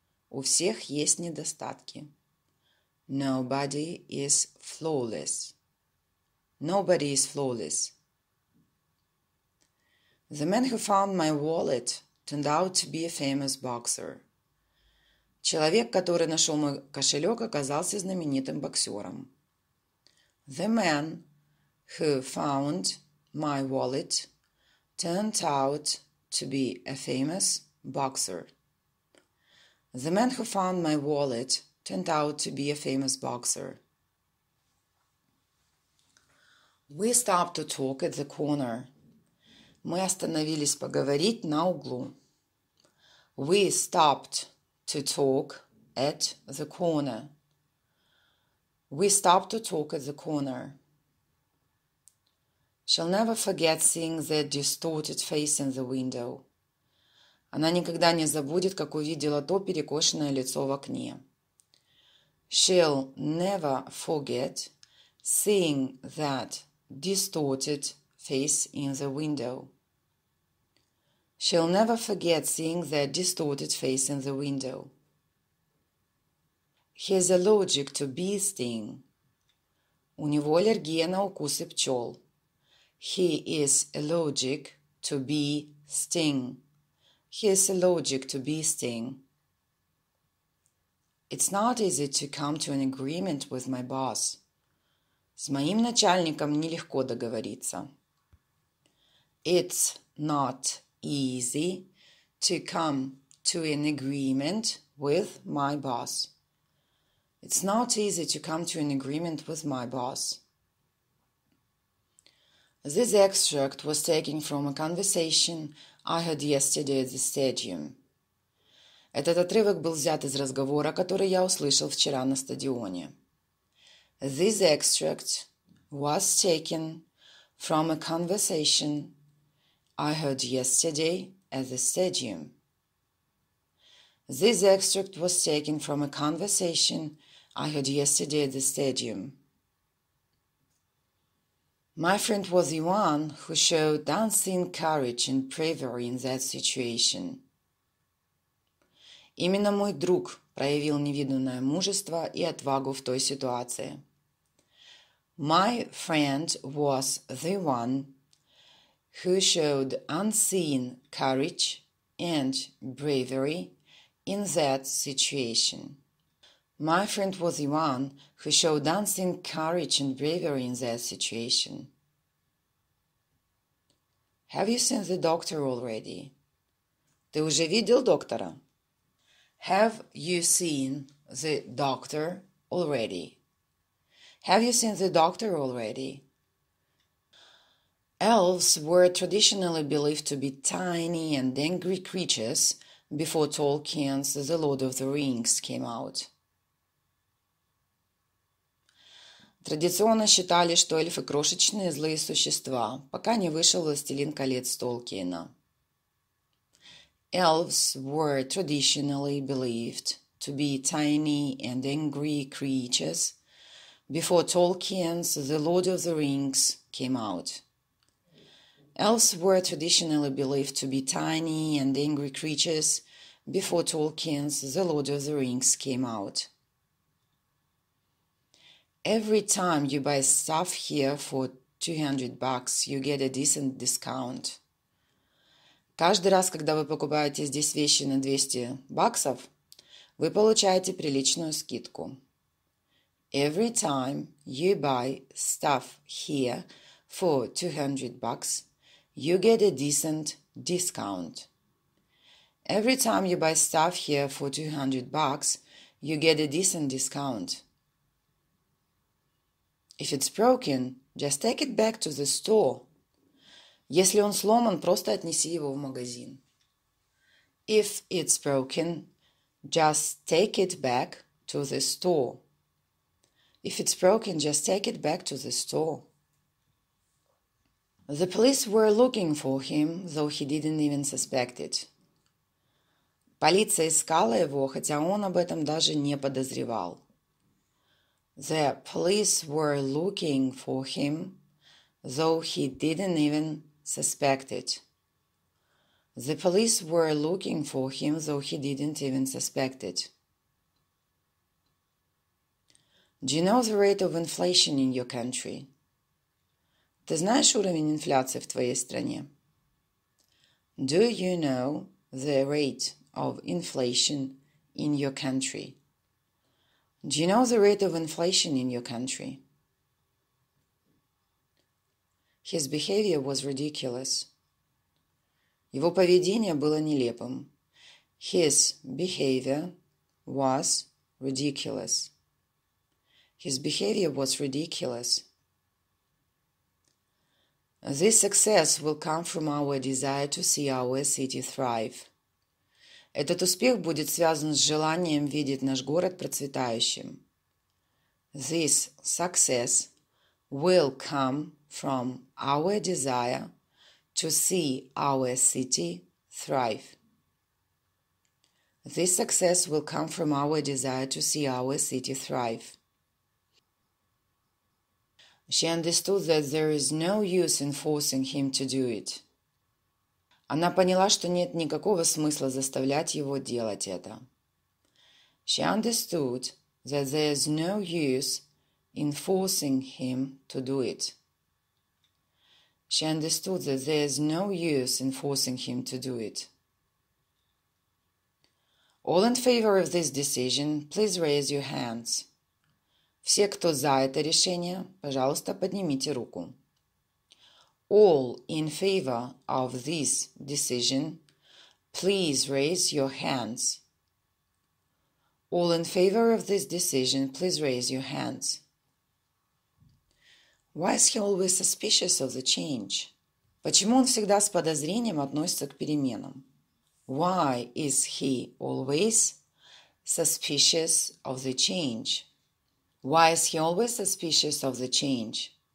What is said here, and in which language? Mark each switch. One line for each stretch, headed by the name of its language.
Russian: У всех есть недостатки.
English: Nobody is flawless. Nobody is flawless. The man who found my wallet turned out to be a famous boxer.
Russian: Человек, который нашел мой кошелек, оказался знаменитым боксером.
English: The man who found my wallet turned out to be a famous boxer. The man who found my wallet turned out to be a famous boxer. We stopped to talk at the corner.
Russian: Мы остановились поговорить на углу.
English: We stopped to talk at the corner. We stopped to talk at the corner. She'll never forget seeing that distorted face in the window.
Russian: Она никогда не забудет, как увидела то перекошенное лицо в окне.
English: She'll never forget seeing that distorted face in the window. She'll never forget seeing that distorted face in the window. He's allergic to bee sting.
Russian: У него аллергия на укусы пчел.
English: He is allergic to bee sting. He is allergic to bee sting. It's not easy to come to an agreement with my boss.
Russian: С моим начальником нелегко договориться.
English: It's not easy to come to an agreement with my boss. It's not easy to come to an agreement with my boss. This extract was taken from a conversation I had yesterday at the stadium.
Russian: Этот отрывок был взят из разговора, который я услышал вчера на стадионе.
English: This extract was taken from a conversation I heard yesterday at the stadium. This extract was taken from a conversation I heard yesterday at the stadium. My friend was the one who showed unseen courage and bravery in that situation.
Russian: Именно мой друг проявил невиданное мужество и отвагу в той ситуации.
English: My friend was the one who showed unseen courage and bravery in that situation. My friend was the one who showed unseen courage and bravery in that situation. Have you seen the doctor already?
Russian: Ты уже видел доктора?
English: Have you seen the doctor already? Have you seen the doctor already? Elves were traditionally believed to be tiny and angry creatures before Tolkien's The Lord of the Rings came out.
Russian: Традиционно считали, что эльфы – крошечные злые существа, пока не вышел «Властелин колец» Толкиена.
English: Elves were traditionally believed to be tiny and angry creatures before Tolkien's The Lord of the Rings came out. Elves were traditionally believed to be tiny and angry creatures before Tolkien's The Lord of the Rings came out. Every time you buy stuff here for 200 bucks, you get a decent discount.
Russian: Каждый раз, когда вы покупаете здесь вещи на 200 баксов, вы получаете приличную скидку.
English: Every time you buy stuff here for 200 bucks, you get a decent discount. Every time you buy stuff here for 200 bucks, you get a decent discount. If it's broken, just take it back to the store.
Russian: Если он сломан, просто отнеси его в магазин.
English: If it's broken, just take it back to the store. If it's broken, just take it back to the store. The police were looking for him, though he didn't even suspect it.
Russian: Полиция искала его, хотя он об этом даже не подозревал.
English: The police were looking for him, though he didn't even suspect it. The police were looking for him, though he didn't even suspect it. Do you know the rate of inflation in your country?
Russian: Ты знаешь уровень инфляции в твоей стране?
English: Do you know the rate of inflation in your country? Do you know the rate of inflation in your country? His behavior was ridiculous.
Russian: Его поведение было нелепым.
English: His behavior was ridiculous. His behavior was ridiculous. This success will come from our desire to see our city thrive.
Russian: Этот успех будет связан с желанием видеть наш город процветающим.
English: This success will come from our desire to see our city thrive. This success will come from our desire to see our city thrive. She understood that there is no use in forcing him to do it.
Russian: Она поняла, что нет никакого смысла заставлять его делать это.
English: She understood that there is no use in forcing him to do it. She understood that there is no use in forcing him to do it. All in favor of this decision, please raise your hands.
Russian: Все, кто за это решение, пожалуйста, поднимите руку.
English: All in favor of this decision, please raise your hands. All in favor of this decision, please raise your hands. Why is he always suspicious of the change?
Russian: Почему он всегда с подозрением относится к переменам?
English: Why is he always suspicious of the change? Why is he always suspicious of the change?